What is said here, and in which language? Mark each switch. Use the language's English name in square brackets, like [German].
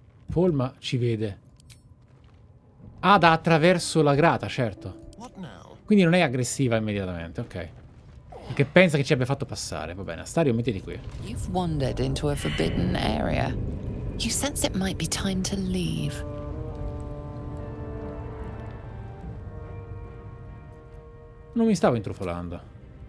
[Italian] Polma ci vede. Ah, da attraverso la grata, certo. Quindi non è aggressiva immediatamente, ok. Perché pensa che ci abbia fatto passare. Va bene, Astario, mettiti qui. [English] You've wandered into a forbidden area. You sense it might be time to leave. [Italian] Non mi stavo intrufolando.